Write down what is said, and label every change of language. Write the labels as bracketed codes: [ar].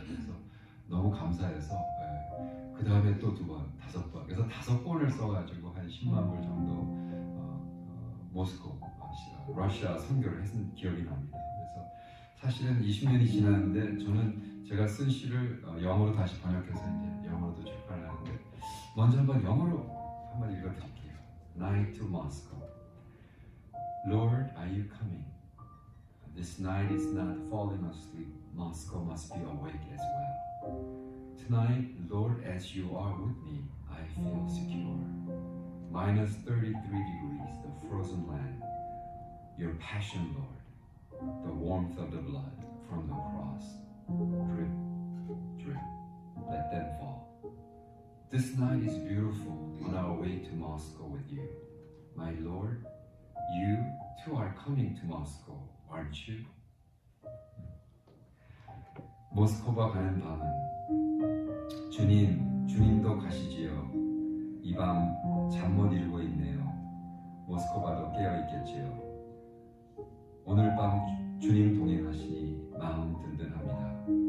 [ko] 그래서 너무 감사해서 예. 그 다음에 또 두 번, 다섯 번, 그래서 다섯 권을 써가지고 한 10만 불 정도 모스크바, 러시아 선교를 했던 기억이 납니다. 그래서 사실은 20년이 지났는데 저는 제가 쓴 시를 영어로 다시 번역해서 이제 영어로도 출판을 하는데 먼저 한번 영어로 한번 읽어드릴게요. [en] Night to Moscow. Lord, are you coming? This night is not falling asleep. Moscow must be awake as well. Tonight, Lord, as you are with me, I feel secure. Minus 33 degrees, the frozen land. Your passion, Lord. The warmth of the blood from the cross. Drip, drip, let them fall. This night is beautiful on our way to Moscow with you. My Lord, you too are coming to Moscow, aren't you? [ko] 모스크바 가는 밤은 주님, 주님도 가시지요. 이 밤 잠 못 이루고 있네요. 모스크바도 깨어 있겠지요. 오늘 밤 주님 동행하시니 마음 든든합니다.